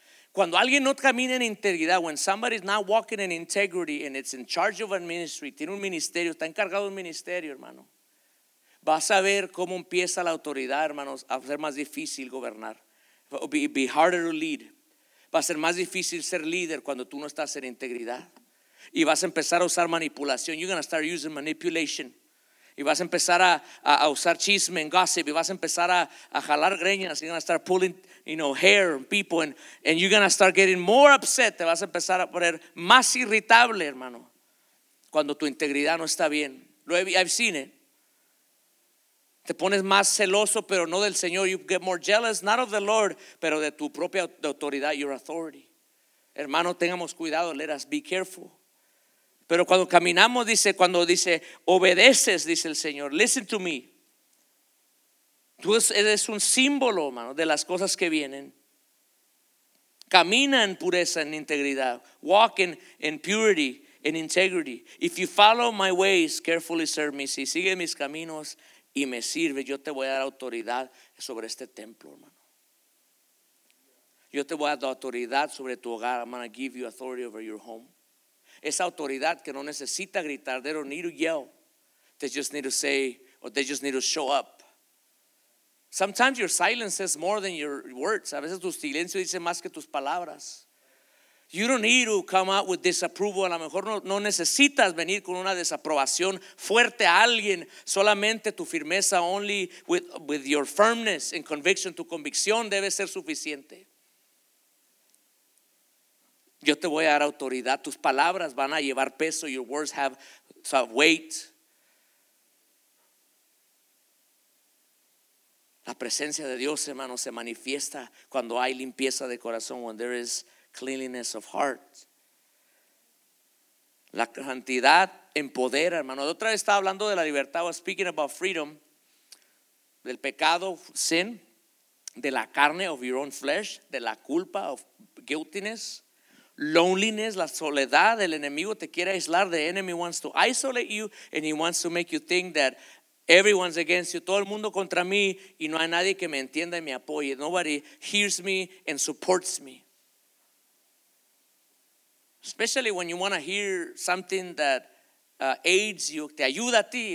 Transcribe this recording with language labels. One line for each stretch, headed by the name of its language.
Spanish: Cuando alguien no camina en integridad,
English: when somebody is not walking in integrity and it's in charge of a ministry,
Spanish: tiene un ministerio, está encargado de un ministerio, hermano, vas a ver cómo empieza la autoridad, hermanos, a ser más difícil gobernar.
English: Be harder to lead.
Spanish: Va a ser más difícil ser líder cuando tú no estás en integridad. Y vas a empezar a usar manipulación.
English: You're going to start using manipulation.
Spanish: Y vas a empezar a usar chisme
English: and gossip.
Spanish: Y vas a empezar a jalar greñas.
English: You're going to start pulling, you know, hair and people. And you're going to start getting more upset.
Spanish: Te vas a empezar a poner más irritable, hermano, cuando tu integridad no está bien.
English: I've seen it.
Spanish: Te pones más celoso, pero no del Señor.
English: You get more jealous, not of the Lord,
Spanish: pero de tu propia autoridad,
English: your authority.
Spanish: Hermano, tengamos cuidado.
English: Let us be careful.
Spanish: Pero cuando caminamos, dice, cuando dice, obedeces, dice el Señor,
English: listen to me.
Spanish: Tú eres un símbolo, hermano, de las cosas que vienen. Camina en pureza, en integridad.
English: Walk in purity, in integrity. If you follow my ways, carefully serve me.
Spanish: Si sigue mis caminos y me sirve, yo te voy a dar autoridad sobre este templo, hermano. Yo te voy a dar autoridad sobre tu hogar.
English: I'm going to give you authority over your home.
Spanish: Esa autoridad que no necesita gritar,
English: they don't need to yell. They just need to say, or they just need to show up. Sometimes your silence says more than your words.
Spanish: A veces tu silencio dice más que tus palabras.
English: You don't need to come out with disapproval.
Spanish: A lo mejor no necesitas venir con una desaprobación fuerte a alguien. Solamente tu firmeza,
English: only with your firmness and conviction.
Spanish: Tu convicción debe ser suficiente. Yo te voy a dar autoridad. Tus palabras van a llevar peso.
English: Your words have weight.
Spanish: La presencia de Dios, hermano, se manifiesta cuando hay limpieza de corazón.
English: When there is cleanliness of heart.
Spanish: La santidad empodera, hermano. De otra vez estaba hablando de la libertad.
English: I was speaking about freedom.
Spanish: Del pecado, sin. De la carne,
English: of your own flesh.
Spanish: De la culpa,
English: of guiltiness.
Spanish: Loneliness, la soledad, el enemigo te quiere aislar.
English: The enemy wants to isolate you and he wants to make you think that everyone's against you.
Spanish: Todo el mundo contra mí y no hay nadie que me entienda y me apoye.
English: Nobody hears me and supports me. Especially when you want to hear something that aids you,
Spanish: te ayuda a ti.